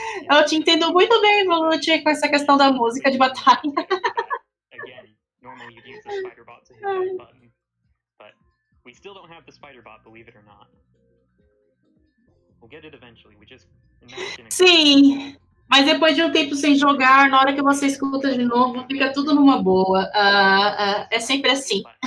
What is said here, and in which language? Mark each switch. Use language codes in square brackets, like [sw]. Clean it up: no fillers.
[pt] Eu te entendo muito bem, Volute, com essa questão da música de batalha. [en] Again, normally you'd use the spider bot to hit that button. But we still don't have the spider bot, believe it or not. We'll get it eventually. We just imagine. [pt] Sim, mas depois de um tempo sem jogar, na hora que você escuta de novo, fica tudo numa boa. É sempre assim.